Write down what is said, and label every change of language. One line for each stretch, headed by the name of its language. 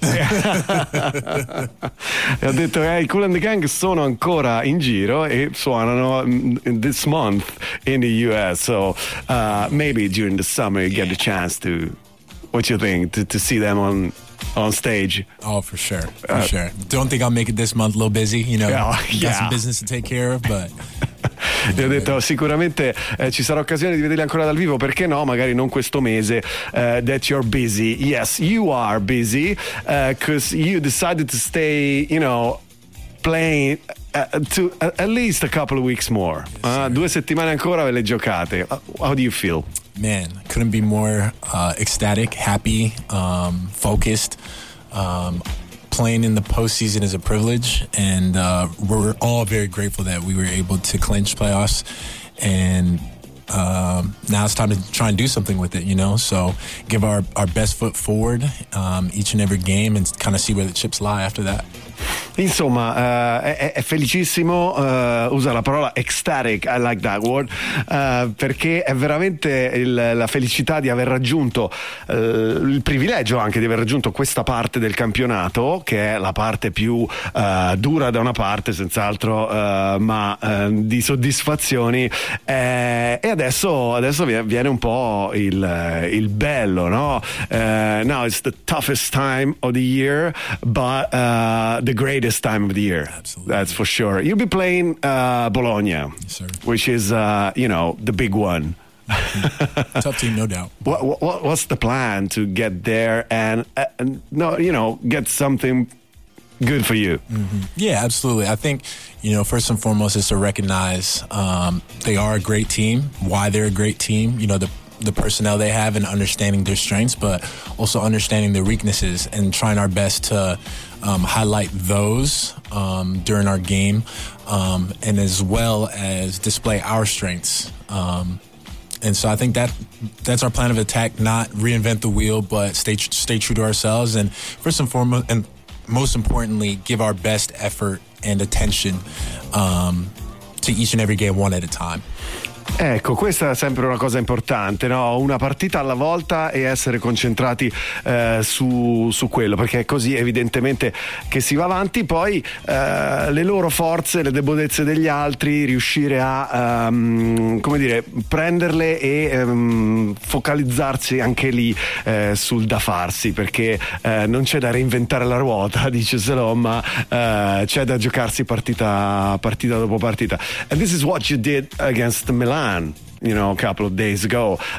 Italian: Ho detto, Cool and the Gang sono ancora in giro e suonano
English: this month in the U.S. So maybe during the summer you get the chance to, what you think, to see them on stage. Oh, for sure, for sure. Don't think I'll make it this month, a little busy, you know. Got some business to take care of, but...
Italian: Gli ho detto sicuramente ci sarà occasione di vederli ancora dal vivo, perché no, magari non questo mese.
English: That you're busy. Yes, you are busy because you decided to stay, you know, playing at least a couple of weeks more.
Italian: Yes, due settimane ancora ve le giocate.
English: How do you feel? Man, couldn't be more ecstatic, happy, focused. Playing in the postseason is a privilege, and we're all very grateful that we were able to clinch playoffs, and now it's time to try and do something with it, you know, so give our best foot forward each and every game and kind of see where the chips lie after that.
Italian: Insomma, è felicissimo, usa la parola ecstatic,
English: I like that word,
Italian: perché è veramente la felicità di aver raggiunto, il privilegio anche di aver raggiunto questa parte del campionato, che è la parte più dura da una parte, senz'altro, di soddisfazioni, e adesso viene un po' il bello, no?
English: Now it's the toughest time of the year, but the greatest time of the year. Absolutely. That's for sure. You'll be playing Bologna. Yes, sir. Which is you know, the big one. Tough team, no doubt. What's the plan to get there and no, you know, get something good for you? Mm-hmm. Yeah, absolutely. I think, you know, first and foremost is to recognize they are a great team, why they're a great team, you know, the personnel they have and understanding their strengths, but also understanding their weaknesses and trying our best to highlight those during our game, and as well as display our strengths. And so I think that's our plan of attack, not reinvent the wheel, but stay true to ourselves. And first and foremost, and most importantly, give our best effort and attention to each and every game one at a time.
Italian: Ecco, questa è sempre una cosa importante, no? Una partita alla volta e essere concentrati su quello, perché è così evidentemente che si va avanti. Poi le loro forze, le debolezze degli altri, riuscire a come dire, prenderle e focalizzarsi anche lì sul da farsi, perché non c'è da reinventare la ruota, dice Salom, ma c'è da giocarsi partita dopo partita.
English: And this is what you did against Milan, you know, a couple of days ago.